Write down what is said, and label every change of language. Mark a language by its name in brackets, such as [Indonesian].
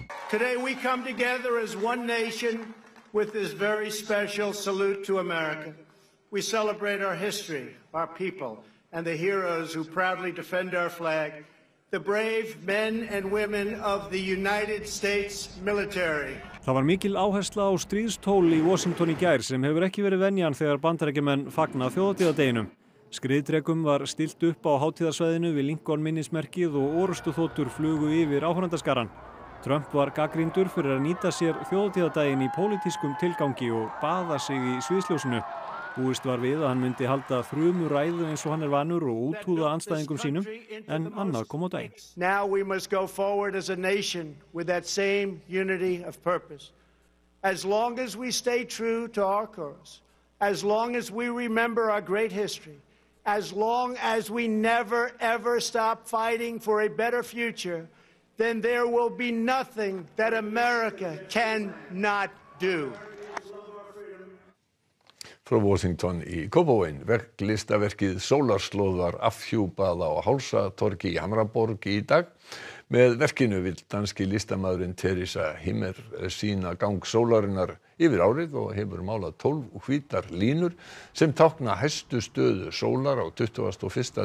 [English] Today we come together as one nation with this very special salute to America. We celebrate our history, our people, and the heroes who proudly defend our flag, the brave men and women of the United States military. [Icelandic] Það var mikil áhersla á stríðstól í Washington í gær sem hefur ekki verið venjan þegar Bandaríkjamenn fagna þjóðhátíðardeginum. Skriðdrekum var stillt upp á hátíðarsvæðinu við Lincoln minnismerkið og orrustuþotur flugu yfir áhorfendaskarann. Trump var gagnrýndur fyrir að nýta sér þjóðhátíðardaginn í pólitískum tilgangi og baða sig í sviðsljósinu. Búist var við að hann myndi halda þrumuræðu eins og hann vanur og úthúða andstæðingum sínum, en annað kom á daginn. [English] Now we must go forward as a nation with that same unity of purpose. As long as we stay true to our course, as long as we remember our great history, as long as we never ever stop fighting for a better future, then there will be nothing that America cannot do. [Icelandic] Frá Washington í Kópavoginn, verklistaverkið Sólarslóðar afhjúpað á Hálsatorgi í Hamraborg í dag. Með verkinu vill danski listamaðurinn Teresa Himmer sýna gang sólarinnar yfir árið og hefur málað 12 hvítar línur sem tákna hæstu stöðu sólar á 21.